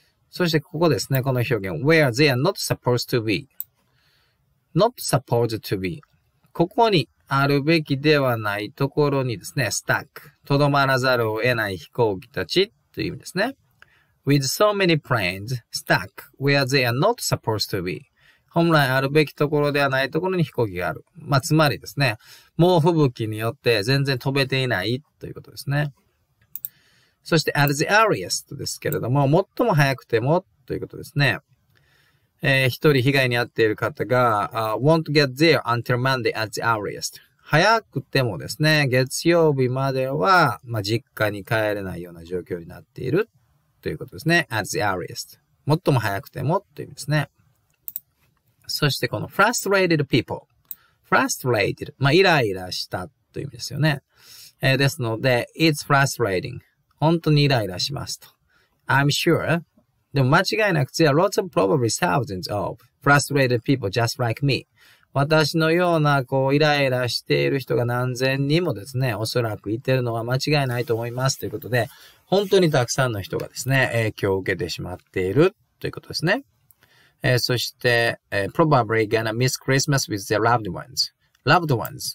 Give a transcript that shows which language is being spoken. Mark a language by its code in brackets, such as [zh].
[ja] そしてここですね、この表現。 [en] Where they are not supposed to be。 not supposed to be. [ja] ここにあるべきではないところにですね、stuck. とどまらざるを得ない飛行機たちという意味ですね。 [en] with so many planes stuck where they are not supposed to be. [ja] 本来あるべきところではないところに飛行機がある。まあ、つまりですね、猛吹雪によって全然飛べていないということですね。そして [en] at the earliest [ja] ですけれども、最も早くてもということですね。一人被害に遭っている方が、 [en] won't get there until Monday at the earliest. [ja] 早くてもですね、月曜日までは、まあ、実家に帰れないような状況になっているということですね。 [en] at the earliest. [ja] 最も早くてもという意味ですね。そしてこの [en] frustrated people. frustrated. [ja] まあ、イライラしたという意味ですよね。ですので、 [en] it's frustrating. [ja] 本当にイライラしますと。 [en] I'm sure. [ja] でも間違いなく、 [en] there are lots of probably thousands of frustrated people just like me. [ja] 私のような、こう、イライラしている人が何千人もですね、おそらくいてるのは間違いないと思いますということで、本当にたくさんの人がですね、影響を受けてしまっているということですね。そして、 [en] probably gonna miss Christmas with their loved ones. Loved ones.